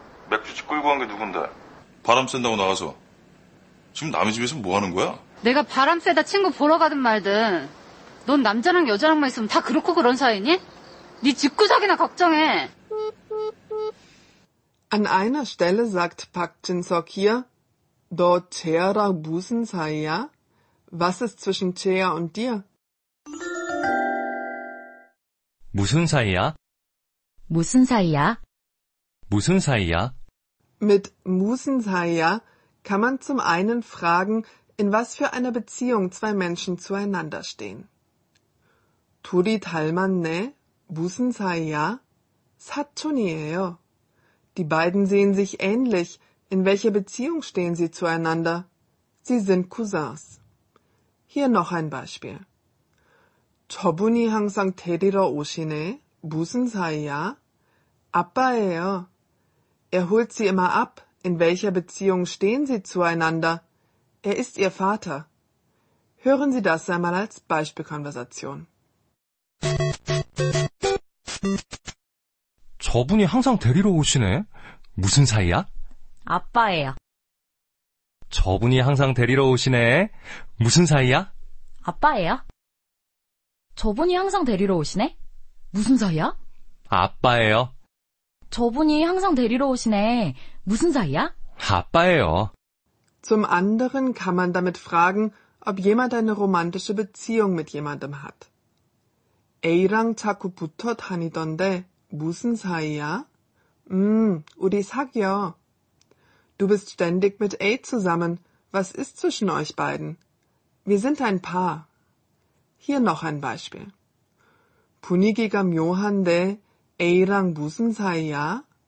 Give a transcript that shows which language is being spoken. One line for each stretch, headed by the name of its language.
Korean: Mäkju-chip 끌고 한 게 누군데? 바람 쐰다고 나가서. 지금 남의 집에서 뭐 하는 거야? 내가 바람 쐬다 친구 보러 가든 말든. 넌 남자랑 여자랑만 있으면 다 그렇고 그런 사이니? 네 직구석이나 걱정해.
German: An einer Stelle sagt Park Jin-seok hier,
Korean: 너 재아랑 무슨 사이야?
German: Was ist zwischen 재아 und dir?
Korean: 무슨 사이야? 무슨 사이야? 무슨 사이야?
German: Mit
Korean: "무슨 사이야"
German: kann man zum einen fragen, in was für einer Beziehung zwei Menschen zueinander stehen.
Korean: 둘이 닮았네. 무슨 사이야? 사촌이에요.
German: Die beiden sehen sich ähnlich. In welcher Beziehung stehen sie zueinander? Sie sind Cousins. Hier noch ein Beispiel.
Korean: 저분이 항상 데리러 오시네. 무슨 사이야? 아빠예요.
German: Er holt sie immer ab. In welcher Beziehung stehen sie zueinander? Er ist ihr Vater. Hören Sie das einmal als Beispielkonversation.
Korean: 저분이 항상 데리러 오시네. 무슨 사이야? 아빠예요. 저분이 항상 데리러 오시네. 무슨 사이야? 아빠예요. 저분이 항상 데리러 오시네. 무슨 사이야? 아빠예요. 저분이 항상 데리러 오시네. 무슨 사이야? 아빠예요.
German: Zum anderen kann man damit fragen, ob jemand eine romantische Beziehung mit jemandem hat.
Korean: A랑 자꾸 붙어 다니던데 무슨 사이야? 우리 사귀어.
German: Du bist ständig mit A zusammen. Was ist zwischen euch beiden? Wir sind ein Paar. Hier noch ein Beispiel.
Korean: 분위기가 묘한데 A랑 무슨 사이야?